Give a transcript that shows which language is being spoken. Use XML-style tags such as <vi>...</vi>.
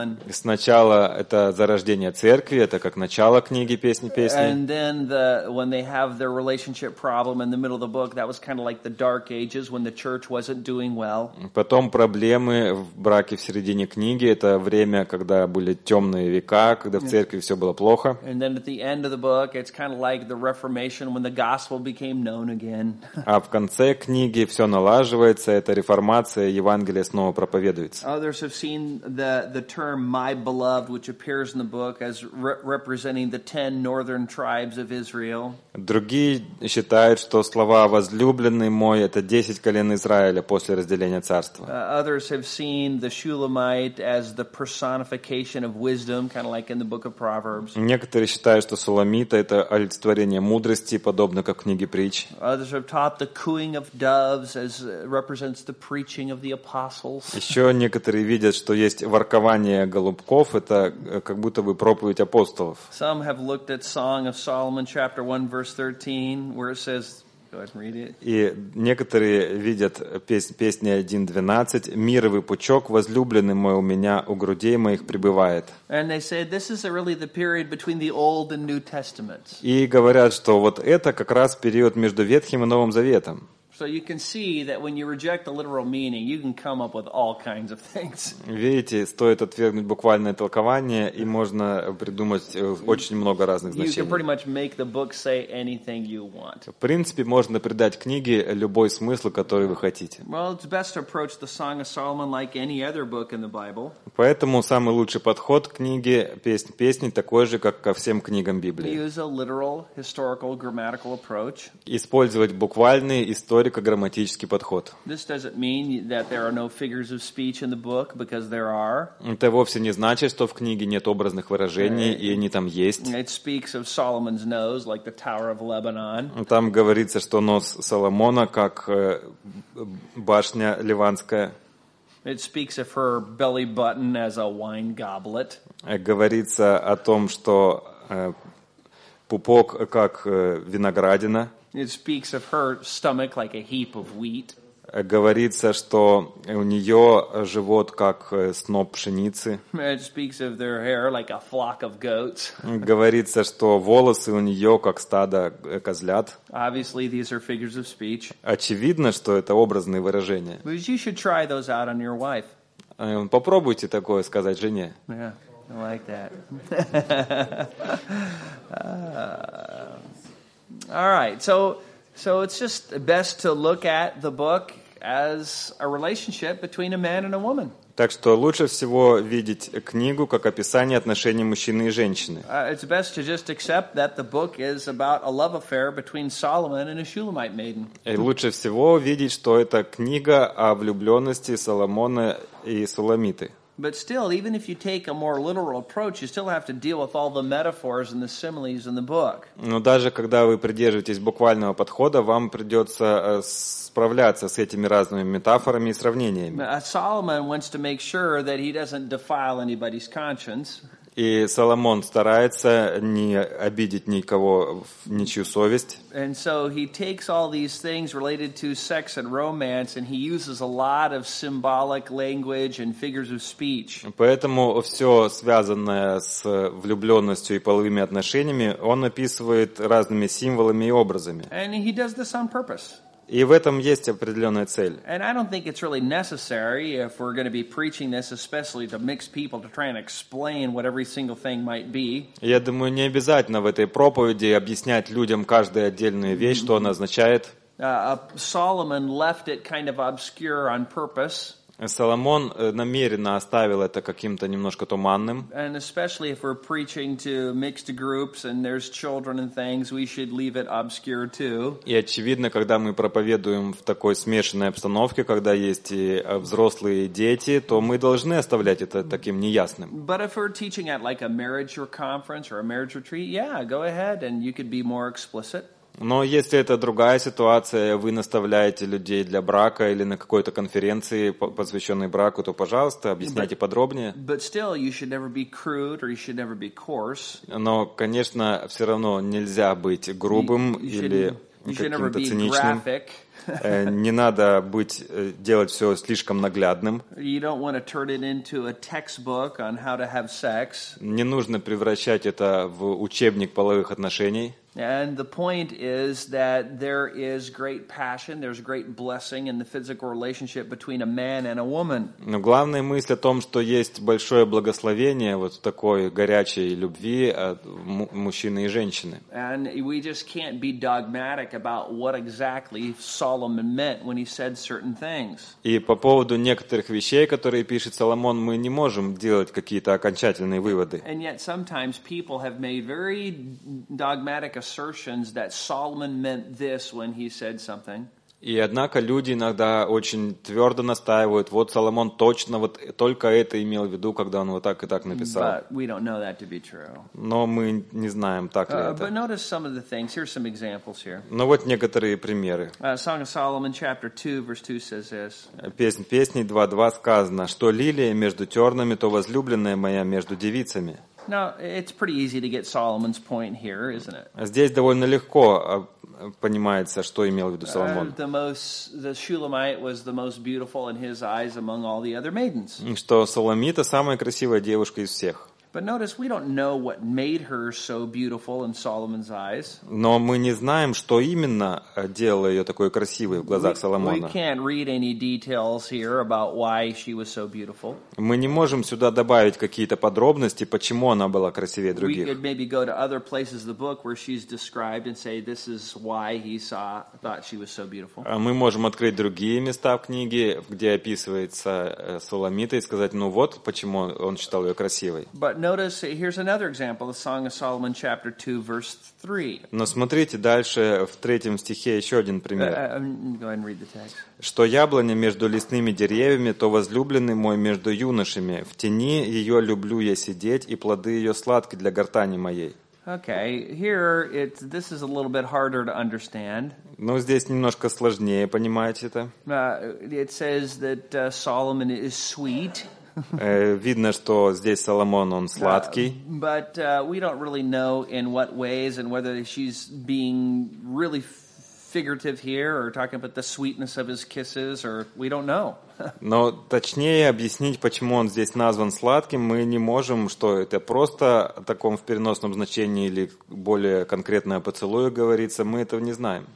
<ru>Сначала это зарождение церкви, это как начало книги Песни Песней. Потом проблемы в браке в середине книги, это время, когда были темные века, когда в церкви все было плохо.</ru> <en>And then at the end of the book, it's kind of like the Reformation when the gospel became known again.</en> <ru>А в конце книги все налаживается, это реформация, Евангелие снова проповедуется.</ru> <en>Others have seen the term "my beloved", which appears in the book as representing the 10 northern tribes of Israel.</en> <ru>Другие считают, что слова "возлюбленный мой" это 10 колен Израиля после разделения царства.</ru> <en>Others have seen the Shulamite as the personification of wisdom. Kind of like in the book of Proverbs.</en> <ru>Некоторые считают, что Суламита это олицетворение мудрости, подобно как в книге Притч.</ru> <en>Others have taught the cooing of doves as represents the preaching of the apostles.</en> <ru>Еще некоторые видят, что есть воркование голубков, это как будто бы проповедь апостолов.</ru> <en>Some have looked at Song of Solomon chapter 1 verse 13 where it says, go ahead and read it.</en> <ru>И некоторые видят песни 1.12 «Мировый пучок, возлюбленный мой, у меня у грудей моих пребывает».</ru> <en>And they say, this is really the period between the Old and New Testaments.</en> <ru>И говорят, что вот это как раз период между Ветхим и Новым Заветом.</ru> <en>So you can see that when you reject the literal meaning, you can come up with all kinds of things.</en> <ru>Видите, стоит отвергнуть буквальное толкование, и можно придумать очень много разных значений.</ru> <en>You can pretty much make the book say anything you want.</en> <ru>В принципе, можно придать книге любой смысл, который вы хотите.</ru> <en>Well, it's best to approach the Song of Solomon like any other book in the Bible.</en> <ru>Поэтому самый лучший подход к книге песни такой же, как ко всем книгам Библии.</ru> <en>Use a literal, historical, grammatical approach.</en> <ru>Использовать буквальный историко-грамматический подход.</ru> <en>This doesn't mean that there are no figures of speech in the book, because there are.</en> <ru>Это вовсе не значит, что в книге нет образных выражений, и они там есть.</ru> <en>It speaks of Solomon's nose, like the Tower of Lebanon.</en> <ru>Там говорится, что нос Соломона как башня ливанская.</ru> <en>It speaks of her belly button as a wine goblet.</en> <ru>Говорится о том, что пупок как виноградина.</ru> <en>It speaks of her stomach like a heap of wheat.</en> <ru>Говорится, что у нее живот как сноп пшеницы.</ru> <en>It speaks of their hair like a flock of goats.</en> <ru>Говорится, что волосы у нее как стадо козлят.</ru> <en>Obviously, these are figures of speech.</en> <ru>Очевидно, что это образные выражения.</ru> <en>But you should try those out on your wife.</en> <ru>Попробуйте такое сказать жене.</ru> <en>Yeah. I like that. All right, so it's just best to look at the book as a relationship between a man and a woman.</en> <ru>Так что лучше всего видеть книгу как описание отношений мужчины и женщины.</ru> <en>It's best to just accept that the book is about a love affair between Solomon and a Shulamite maiden.</en> <ru>И лучше всего видеть, что это книга о влюбленности Соломона и Суламиты.</ru> <en>But still, even if you take a more literal approach, you still have to deal with all the metaphors and the similes in the book.</en> <ru>Но даже когда вы придерживаетесь буквального подхода, вам придется справляться с этими разными метафорами и сравнениями.</ru> <en>Solomon wants to make sure that he doesn't defile anybody's conscience.</en> <ru>И Соломон старается не обидеть никого, ничью совесть.</ru> <en>And so he takes all these things related to sex and romance, and he uses a lot of symbolic language and figures of speech.</en> <ru>Поэтому все связанное с влюбленностью и половыми отношениями он описывает разными символами и образами.</ru> <en>And he does this on purpose.</en> <ru>И в этом есть определенная цель.</ru> <en>And I don't think it's really necessary if we're going to be preaching this, especially to mixed people, to try and explain what every single thing might be.</en> <ru>Я думаю, не обязательно в этой проповеди объяснять людям каждую отдельную вещь, что она означает.</ru> <en>Solomon left it kind of obscure on purpose.</en> <ru>Соломон намеренно оставил это каким-то немножко туманным.</ru> <en>And especially if we're preaching to mixed groups and there's children and things, we should leave it obscure too.</en> <ru>И очевидно, когда мы проповедуем в такой смешанной обстановке, когда есть и взрослые, и дети, то мы должны оставлять это таким неясным.</ru> <en>But if we're teaching at like a marriage conference or a marriage retreat, yeah, go ahead and you could be more explicit.</en> <ru>Но если это другая ситуация, вы наставляете людей для брака или на какой-то конференции, посвященной браку, то, пожалуйста, объясняйте подробнее.</ru> <en>But still, you should never be crude or you should never be coarse.</en> <ru>Но, конечно, все равно нельзя быть грубым или каким-то циничным. Не надо делать все слишком наглядным. Не нужно превращать это в учебник половых отношений.</ru> <en>And the point is that there is great passion, there's great blessing in the physical relationship between a man and a woman.</en> <ru>Но главная мысль о том, что есть большое благословение вот такой горячей любви от мужчины и женщины.</ru> <en>And we just can't be dogmatic about what exactly Solomon meant when he said certain things.</en> <ru>И по поводу некоторых вещей, которые пишет Соломон, мы не можем делать какие-то окончательные выводы.</ru> <en>And yet sometimes people have made very dogmatic assertions that Solomon meant this when he said something.</en> <ru>И однако люди иногда очень твердо настаивают, вот Соломон точно вот только это имел в виду, когда он вот так и так написал.</ru> <en>But we don't know that to be true.</en> <ru>Но мы не знаем, так ли это.</ru> <en>But notice some of the things. Here's some examples here.</en> <ru>Но вот некоторые примеры.</ru> <en>Song of Solomon, chapter 2, verse 2 says this.</en> <ru>Песнь 2:2 сказано, что лилия между тернами, то возлюбленная моя между девицами.</ru> <en>Now, it's pretty easy to get Solomon's point here, isn't it?</en> <ru>Здесь довольно легко понимается, что имел в виду Соломон.</ru> <en>The Shulamite was the most beautiful in his eyes among all the other maidens.</en> <ru>Что Соломита самая красивая девушка из всех.</ru> <en>But notice, we don't know what made her so beautiful in Solomon's eyes.</en> <ru>Но мы не знаем, что именно делало ее такой красивой в глазах Соломона.</ru> <en>We can't read any details here about why she was so beautiful.</en> <ru>Мы не можем сюда добавить какие-то подробности, почему она была красивее других.</ru> <en>We could maybe go to other places in the book where she's described and say, this is why he thought she was so beautiful.</en> <ru>Мы можем открыть другие места в книге, где описывается Соломита, и сказать, ну вот, почему он считал ее красивой.</ru> <en>But notice, here's another example, the Song of Solomon, chapter 2, verse 3.</en> <ru>Но смотрите дальше, в третьем стихе еще один пример.</ru> <en>Go ahead and read the text.</en> <ru>Что яблоня между лесными деревьями, то возлюбленный мой между юношами. В тени ее люблю я сидеть, и плоды ее сладки для гортани моей.</ru> <en>Okay, here this is a little bit harder to understand.</en> <ru>Но здесь немножко сложнее понимать это.</ru> <en>It says that Solomon is sweet.</en> <ru>Видно, что здесь Соломон, он сладкий.</ru> <en>But we don't really know in what ways and whether she's being really figurative here or talking about the sweetness of his kisses or we don't know.</en> <ru>Но точнее объяснить, почему он здесь назван сладким, мы не можем, что это просто о таком в переносном значении или более конкретное поцелуе говорится, мы этого не знаем.</ru>